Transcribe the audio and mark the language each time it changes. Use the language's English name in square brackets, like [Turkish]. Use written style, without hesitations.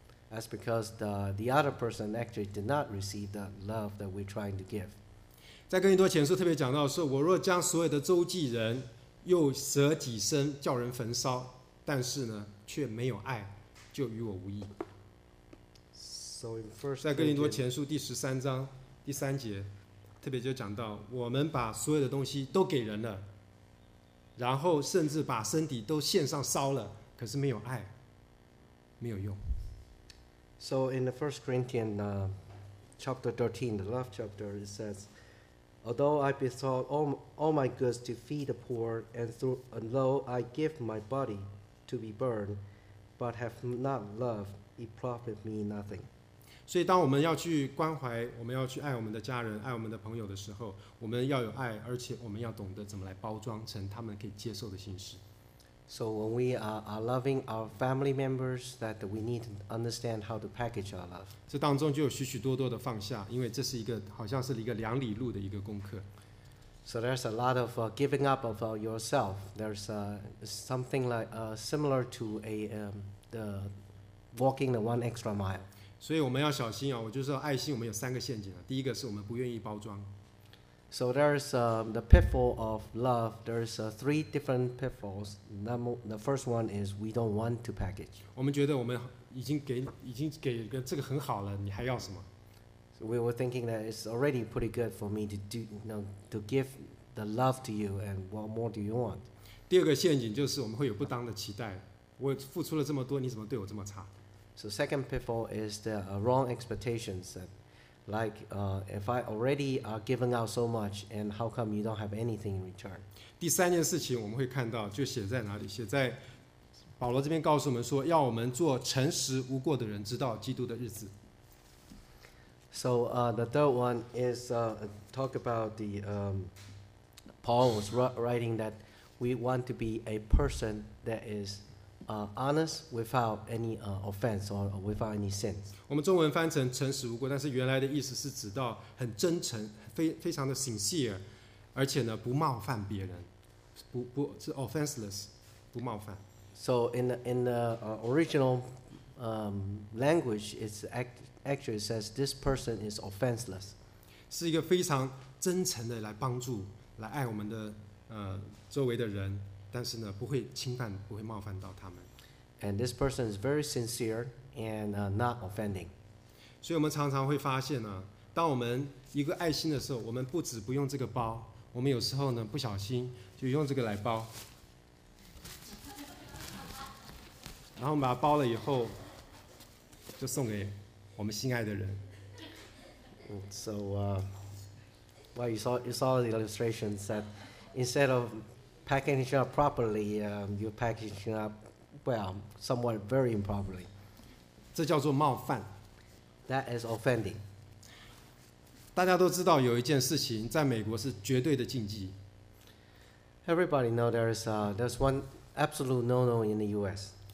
[English] That's because the other person actually did not receive the love that we're trying to give. [Chinese] 在哥林多前书特别讲到说，我若将所有的周济人又舍己身叫人焚烧，但是呢，却没有爱，就与我无益。 [English] So in first, [Chinese] 在哥林多前书第十三章第三节，特别就讲到，我们把所有的东西都给人了，然后甚至把身体都献上烧了，可是没有爱，没有用。 [English] So in the first Corinthians, chapter 13, the love chapter, it says. Although I bestowed all my goods to feed the poor, and though I give my body to be burned, but have not loved, it profit me nothing. [Chinese] 所以当我们要去关怀，我们要去爱我们的家人，爱我们的朋友的时候，我们要有爱，而且我们要懂得怎么来包装成他们可以接受的信息。 [English] So when we are loving our family members, that we need to understand how to package our love. [Chinese] 这当中就有许许多多的放下，因为这是一个好像是一个两里路的一个功课。 [English] So there's a lot of giving up of yourself. There's something like similar to the walking the one extra mile. [Chinese] 所以我们要小心啊！我就说爱心，我们有三个陷阱啊。第一个是我们不愿意包装。 [English] So there's the pitfall of love. There's three different pitfalls. The first one is we don't want to package. [Chinese] 我们觉得我们已经给这个很好了，你还要什么？ [English] So we were thinking that it's already pretty good for me to do, you know, to give the love to you. And what more do you want? [Chinese] 第二个陷阱就是我们会有不当的期待。我付出了这么多，你怎么对我这么差？ [English] So second pitfall is the wrong expectations that. Like, if I already are giving out so much, and how come you don't have anything in return? [Chinese] 第三件事情我们会看到，就写在哪里？写在保罗这边告诉我们说，要我们做诚实无过的人，直到基督的日子。 [English] So, the third one is talk about the Paul was writing that we want to be a person that is. Honest without any offense or without any sins. [Chinese] 我们中文翻成诚实无过，但是原来的意思是指到很真诚，非常的 sincere， 而且呢不冒犯别人，不是 offenseless， 不冒犯。 [English] So in the original language, it's actually says this person is offenseless. [Chinese] 是一个非常真诚的来帮助，来爱我们的周围的人。但是呢，不会侵犯，不会冒犯到他们。 [English] And this person is very sincere and not offending. [Chinese] 所以我们常常会发现呢，当我们一个爱心的时候，我们不止不用这个包，我们有时候呢不小心就用这个来包，然后我们把它包了以后，就送给我们心爱的人。 [English] So, well, you saw the illustrations that instead of packaging up properly, you're packaging up, well, somewhat very improperly. [Chinese] 这叫做冒犯。 [English] That is offending. [Chinese] 大家都知道有一件事情在美国是绝对的禁忌。 [English] Everybody know there's one absolute no-no in the U.S.